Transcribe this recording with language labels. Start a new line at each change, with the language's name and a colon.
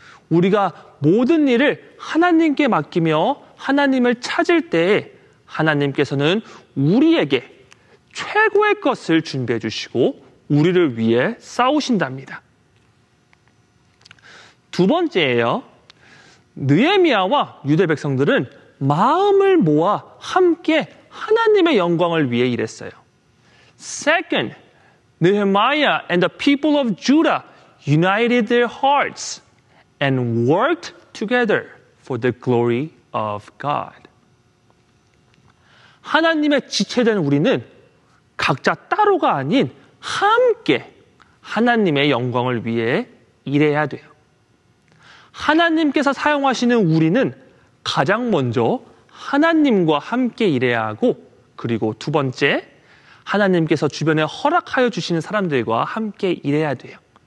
Korean: 우리가 모든 일을 하나님께 맡기며 하나님을 찾을 때 하나님께서는 우리에게 최고의 것을 준비해 주시고 우리를 위해 싸우신답니다. 두 번째예요. 느헤미야와 유대 백성들은 마음을 모아 함께 하나님의 영광을 위해 일했어요.
English: Second, Nehemiah and the people of Judah united their hearts and worked together for the glory of God.
Korean: 하나님의 지체된 우리는 각자 따로가 아닌 함께 하나님의 영광을 위해 일해야 돼요. 하나님께서 사용하시는 우리는 가장 먼저 하나님과 함께 일해야 하고 그리고 두 번째, 하나님께서 주변에 허락하여 주시는 사람들과 함께 일해야 돼요.